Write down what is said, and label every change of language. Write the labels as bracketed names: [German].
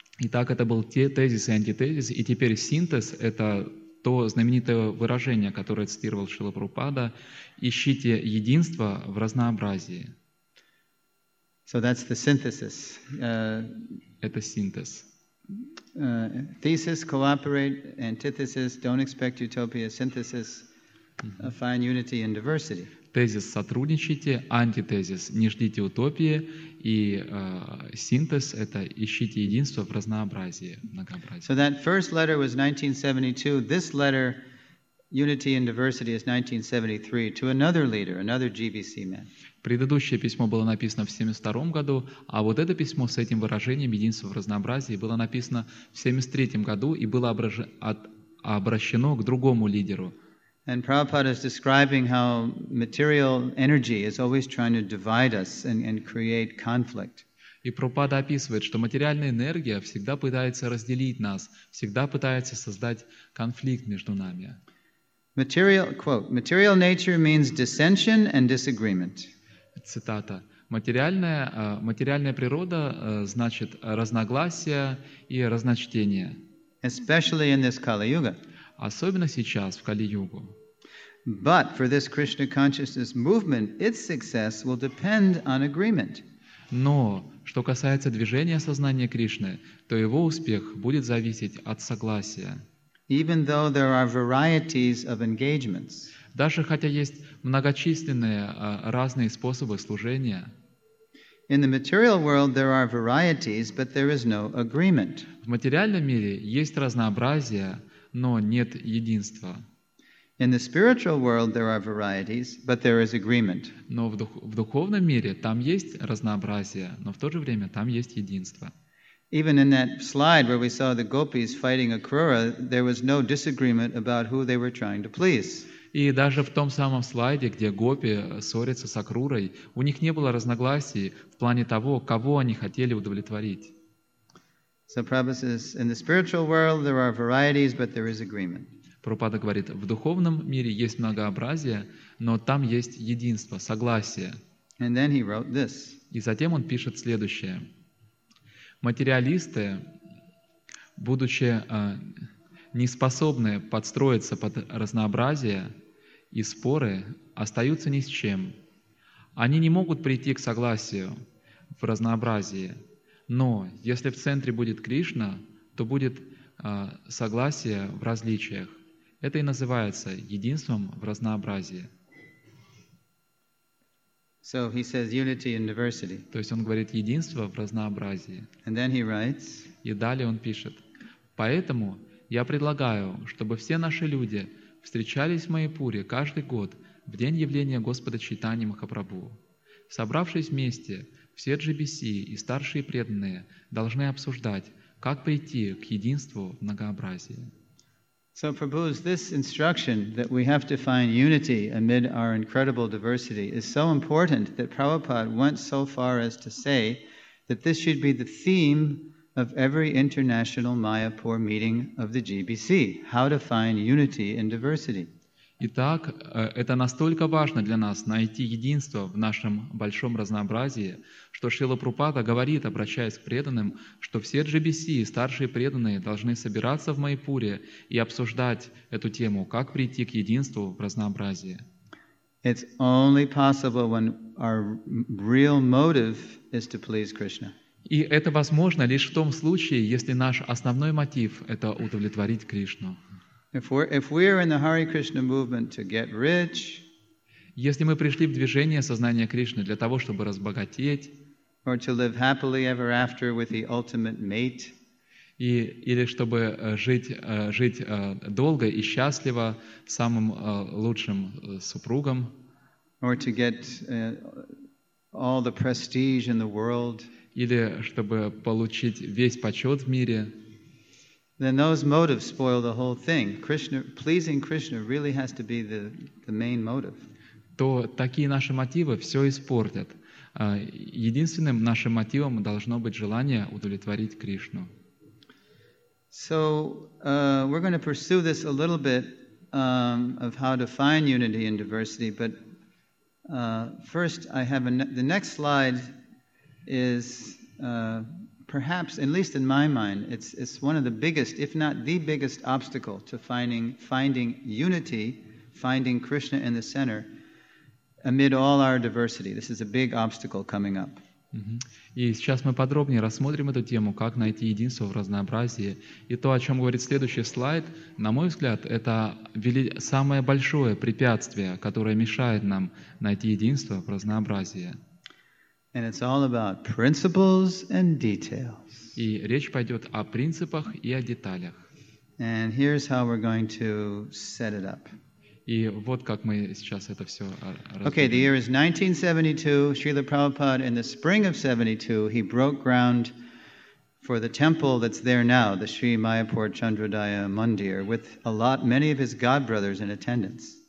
[Russian] Итак, это был тезис и антитезис, и теперь синтез — это то знаменитое выражение, которое цитировал Шрила Прабхупада, «Ищите единство в разнообразии». [English] So that's the synthesis. [Russian] Это синтез. [English] Thesis, cooperate, antithesis, don't expect utopia, synthesis, find unity in diversity. [Russian] Тезис — сотрудничайте, антитезис — не ждите утопии, и синтез — это ищите единство в разнообразии, многообразии. [English] So that first letter was 1972. This letter, Unity and Diversity, is 1973, to another leader, another GBC man. [Russian] Предыдущее письмо было написано в 1972 году, а вот это письмо с этим выражением «единство в разнообразии» было написано в 1973 году и было обращено к другому лидеру. [English] And Prabhupada is describing how material energy is always trying to divide us and create conflict. [Russian] И Прабхупада описывает, что материальная энергия всегда пытается разделить нас, всегда пытается создать конфликт между нами. [English] Material, quote, material nature means dissension and disagreement. [Russian] Цитата. Материальная природа значит разногласия и разночтения. [English] Especially in this Kali-yuga. [Russian] Особенно сейчас, в Кали-югу. [English] But for this Krishna consciousness movement, its success will depend on agreement. [Russian] Но что касается движения сознания Кришны, то его успех будет зависеть от согласия. [English] Even though there are varieties of engagements. [Russian] Даже хотя есть многочисленные разные способы служения. [English] In the material world there are varieties, but there is no agreement. [Russian] В материальном мире есть разнообразие, но нет единства. [English] In the spiritual world there are varieties, but there is agreement. [Russian] Но в духовном мире там есть разнообразие, но в то же время там есть единство. [English] Even in that slide where we saw the gopis fighting Akrura, there was no disagreement about who they were trying to please. [Russian] И даже в том самом слайде, где гопи ссорятся с Акрурой, у них не было разногласий в плане того, кого они хотели удовлетворить. [English] So Prabhupada says, in the spiritual world there are varieties, but there is agreement. [Russian] Прабхупада говорит, в духовном мире есть многообразие, но там есть единство, согласие. [English] And then he wrote this. [Russian] И затем он пишет следующее. Материалисты, будучи неспособны подстроиться под разнообразие и споры, остаются ни с чем. Они не могут прийти к согласию в разнообразии, но если в центре будет Кришна, то будет согласие в различиях. Это и называется единством в разнообразии. [English] So he says unity in diversity. [Russian] То есть он говорит единство в разнообразии. [English] And then he writes, [Russian] и далее он пишет: «Поэтому я предлагаю, чтобы все наши люди встречались в Майпуре каждый год в день явления Господа Чайтаньи Махапрабху. Собравшись вместе, все GBC и старшие преданные должны обсуждать, как прийти к единству в многообразии». [English] So Prabhu, this instruction that we have to find unity amid our incredible diversity is so important that Prabhupada went so far as to say that this should be the theme of every international Mayapur meeting of the GBC, how to find unity in diversity. [Russian] Итак, это настолько важно для нас найти единство в нашем большом разнообразии, что Шрила Прабхупада говорит, обращаясь к преданным, что все GBC, старшие преданные, должны собираться в Майпуре и обсуждать эту тему, как прийти к единству в разнообразии. [English] It's only possible when our real motive is to please Krishna. [Russian] И это возможно лишь в том случае, если наш основной мотив — это удовлетворить Кришну. [English] If we're in the Hare Krishna movement to get rich, [Russian] если мы пришли в движение сознания Кришны для того, чтобы разбогатеть, [English] or to live happily ever after with the ultimate mate, [Russian] или чтобы жить долго и счастливо самым лучшим супругом, [English] or to get all the prestige in the world, [Russian] или чтобы получить весь почет в мире. [English] Then those motives spoil the whole thing. Krishna, pleasing Krishna really has to be the main motive. [Russian] То такие наши мотивы все испортят. Единственным нашим мотивом должно быть желание удовлетворить Кришну. [English] So we're going to pursue this a little bit of how to find unity and diversity, but first I have the next slide is perhaps, at least in my mind, it's one of the biggest, if not the biggest, obstacle to finding unity, finding Krishna in the center, amid all our diversity. This is a big obstacle coming up. Mm-hmm. [Russian] И сейчас мы подробнее рассмотрим эту тему, как найти единство в разнообразии. И то, о чем говорит следующий слайд, на мой взгляд, это самое большое препятствие, которое мешает нам найти единство в разнообразии. [English] And it's all about principles and details. [Russian] И речь пойдет о принципах и о деталях. [English] And here's how we're going to set it up. [Russian] И вот как мы сейчас это все разберем. [English] Okay, the year is 1972. Srila Prabhupada, in the spring of 72, he broke ground for the temple that's there now, the Sri Mayapur Chandradaya Mandir, with many of his god brothers in attendance.